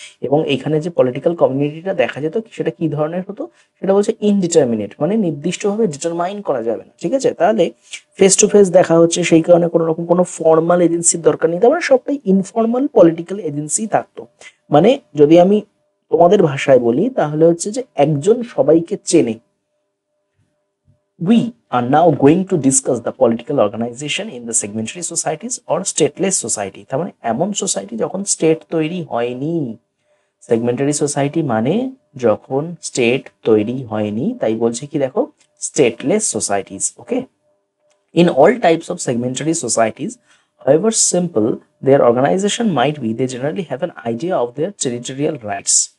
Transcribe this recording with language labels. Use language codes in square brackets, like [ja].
[bn] এবং এখানে যে পলিটিক্যাল কমিউনিটিটা দেখা যেত সেটা কি ধরনের হতো, সেটা বলছে ইনডিটারমিনেট, মানে নির্দিষ্টভাবে ডিটারমাইন করা যাবে না, ঠিক আছে। তাহলে ফেস টু ফেস দেখা হচ্ছে, সেই কারণে কোনো রকম কোনো ফর্মাল এজেন্সির দরকার নেই, তারপরে সবটাই ইনফর্মাল পলিটিক্যাল এজেন্সি থাকতো। মানে যদি আমি তোমাদের ভাষায় বলি তাহলে হচ্ছে যে একজন সবাইকে চেনে। [en] We are now going to discuss the political organization in the segmentary societies or stateless society. [bn] তার মানে এমন সোসাইটি যখন স্টেট তৈরি হয়নি। সেগমেন্টারি সোসাইটি মানে যখন স্টেট তৈরি হয়নি, তাই বলছে কি দেখো, stateless societies, okay. [en] In all types of segmentary societies, however simple their organisation might be, they generally have an idea of their territorial rights.